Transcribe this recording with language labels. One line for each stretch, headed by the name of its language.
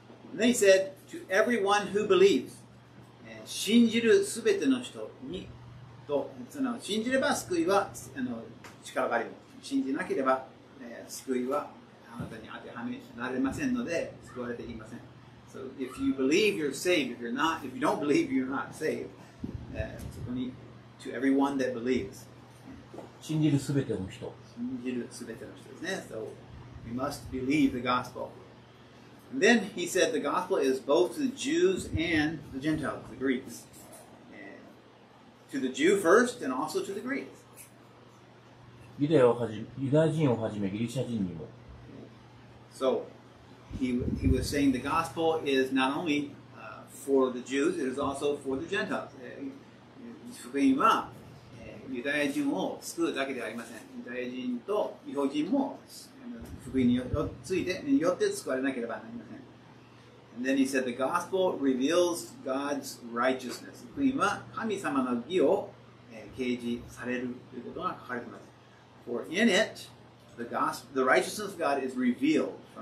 English: And then he said, to everyone who believes,
Japanese: 信じるすべての人に、と信じれば救いは力があります。信じなければ、救いはあなたに当てはめられませんので救われていません。
English: So if you believe you're saved, if you're not, if you don't believe you're not saved,
Japanese: そこに
English: to everyone that believes.
Japanese: 信じるすべての人。信じるすべての人ですね。So
English: We must believe the gospel. And then he said the gospel is both to the Jews and the Gentiles, the Greeks. And to the Jew first and also to the Greeks.
Japanese: ユダヤ人をはじめギリシャ人にも。
English: So he was saying the gospel is not only for the Jews, it is also for the Gentiles.
Japanese: 福音はユダヤ人を救うだけではありません。ユダヤ人と違法人も福音によって救われなければなりません。
English: And then he said, the gospel reveals God's righteousness.
Japanese: 福音は神様の義を掲示されるということが書かれています。
English: For in it, the righteousness of God is revealed.